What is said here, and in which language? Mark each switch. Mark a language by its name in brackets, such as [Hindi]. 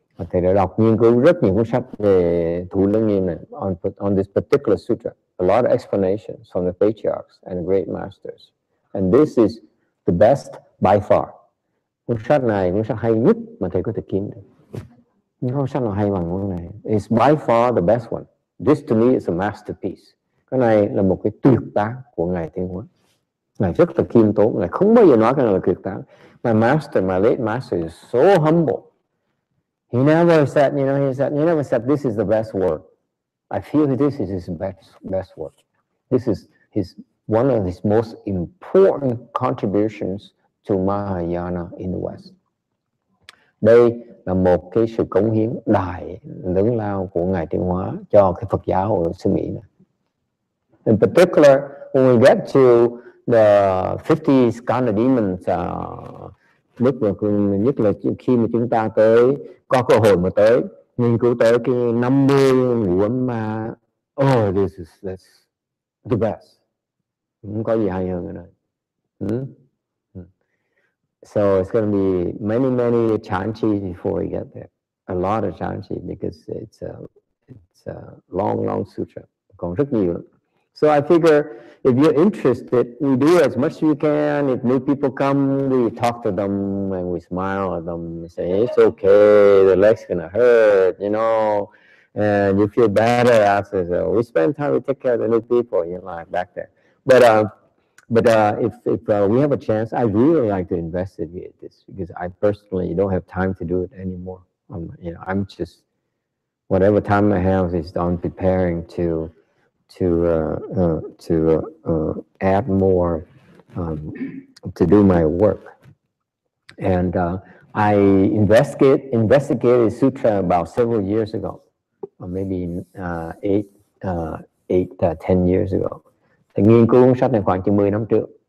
[Vietnamese] Thầy đã đọc nghiên cứu rất nhiều cuốn sách về thủ lăng nghiêm này [English] on this particular sutra. A lot of explanations from the patriarchs and great masters. And this is the best by far. [Vietnamese] Cuốn sách này cuốn sách hay nhất mà thầy có thể kiếm được. Cuốn sách nào hay bằng cuốn này? [English] It's by far the best one. This to me is a masterpiece. [Vietnamese] Cái này là một cái tuyệt tác của Ngài Tiên Hóa. Ngài rất là khiêm tốn, Ngài không bao giờ nói cái này là tuyệt tác. [English] My late master is so humble. He never said this is the best word. I feel that this is his best word. This is his one of his most important contributions to Mahayana in the West. [Vietnamese] Đây là một cái sự cống hiến đại lớn lao của Ngài Tiên Hóa cho cái Phật giáo ở xứ Mỹ này. [English] In particular, when we get to the 50 Skanda demons, [Vietnamese] nhất là khi mà chúng ta tới có cơ hội mà tới nghiên cứu tới cái 50 ngũ ấm ma, [English] this is the best. [Vietnamese] Không có gì hay hơn cái này. [English] So it's going to be many chanchi before we get there. A lot of chanchi because it's a long sutra. [Vietnamese] Còn rất nhiều. [English] So I figure if you're interested, we do as much as we can. If new people come, we talk to them and we smile at them. We say, it's okay, the leg's going to hurt, you know. And you feel better after. So we spend time, we take care of the new people, you know, like back there. But if we have a chance, I'd really like to investigate this because I personally don't have time to do it anymore. I'm just, whatever time I have is on preparing to add more to do my work. And I investigated sutra about several years ago, or maybe 10 years ago. [Vietnamese] Thì nghiên cứu cuốn sách này khoảng 10 năm trước.